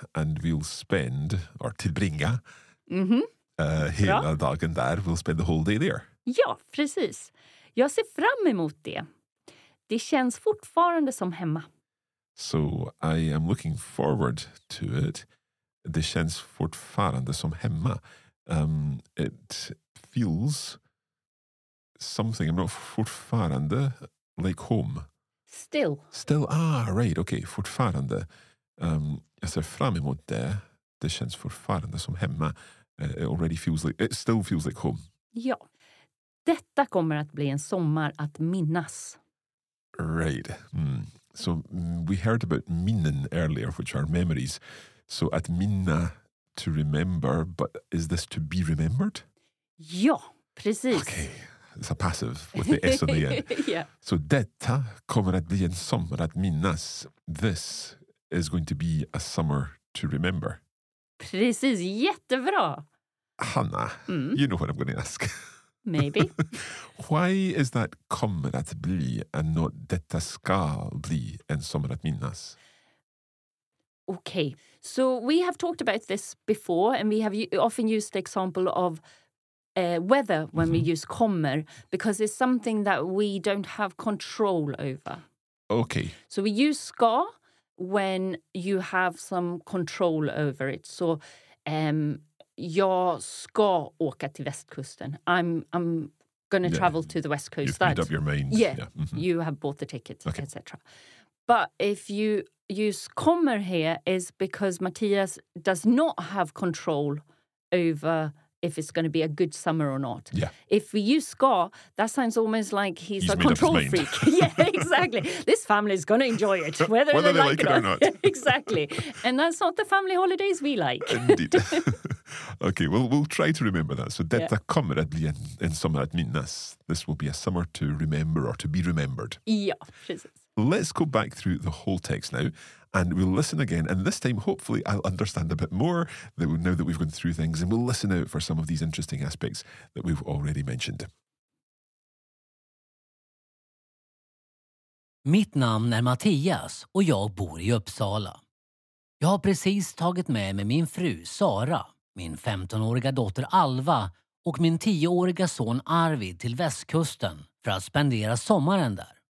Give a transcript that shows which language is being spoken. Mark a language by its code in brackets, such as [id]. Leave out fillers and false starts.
[en] And we'll spend, or [sv] tillbringa, hela dagen där. [en] We'll spend the whole day there. [sv] Ja, precis. Jag ser fram emot det. Det känns fortfarande som hemma. [en] So, I am looking forward to it. [sv] Det känns fortfarande som hemma. [en] It feels something, I'm not fortfarande, like home. Still. Still, right, okay, [sv] fortfarande. Jag ser fram emot det. Det känns fortfarande som hemma. [en] It already feels like, it still feels like home. [sv] Ja. Detta kommer att bli en sommar att minnas. [en] Right. Mm. So we heard about minnen earlier, which are memories. So att minna, to remember, but is this to be remembered? [sv] Ja, precis. [en] Okay. It's a passive with the S on the end. Yeah. [sv] So detta kommer att bli en sommar att minnas. [en] This is going to be a summer to remember. [sv] Precis, jättebra. [en] Hanna, you know what I'm going to ask. Maybe. Why is that [sv] kommer att bli [en] and not [sv] detta ska bli en sommar att minnas? [en] Okay, so we have talked about this before and we have often used the example of weather when we use kommer, because it's something that we don't have control over. Okay. So we use ska when you have some control over it. [sv] So jag ska åka till västkusten. [en] I'm going to travel to the west coast. You've made up your mind. Yeah. You have bought the ticket, okay. Etc. But if you use kommer here, is because Matthias does not have control over if it's going to be a good summer or not. Yeah. If we use ska, that sounds almost like he's a made control up his freak. Mind. Yeah, exactly. This family is going to enjoy it, whether they like it or not. Exactly. And that's not the family holidays we like. Indeed. Okay, well, we'll try to remember that. [sv] So detta kommer att bli en sommar att minnas. [en] This will be a summer to remember or to be remembered. Yeah, precis. Let's go back through the whole text now, and we'll listen again. And this time, hopefully, I'll understand a bit more now that we've gone through things, and we'll listen out for some of these interesting aspects that we've already mentioned. [sv] Mitt namn är Mattias och jag bor i Uppsala. Jag har precis tagit med mig min fru Sara, min 15-åriga dotter Alva och min 10-åriga son Arvid till västkusten för att spendera sommaren där.